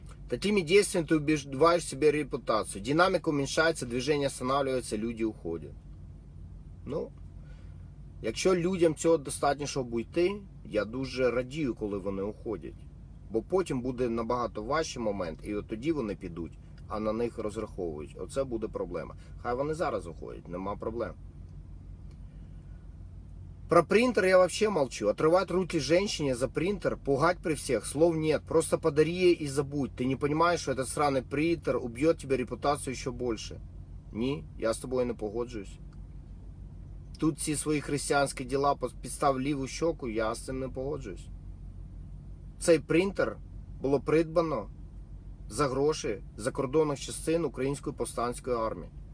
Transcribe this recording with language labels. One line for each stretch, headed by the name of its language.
Russian: Такими действиями ты убиваешь себе репутацию. Динамика уменьшается, движение останавливается, люди уходят.
Ukrainian: Ну, якщо людям цього достатньо, щоб уйти, я дуже радію, коли вони уходять. Бо потім буде набагато важчий момент, і от тоді вони підуть. а на них розраховують. Оце буде проблема. Хай вони зараз уходять, нема проблем.
Russian: Про принтер я вообще молчу. Отрывать руки женщине за принтер, пугать при всех, слов нет. Просто подари ей и забудь. Ты не понимаешь, что этот сраный принтер убьет тебе репутацию еще больше.
Ukrainian: Ні, я з тобою не погоджуюсь. Тут ці свої християнські діла підстав ліву щоку, я з цим не погоджуюсь. Цей принтер було придбано за гроші закордонних частин Української повстанської армії.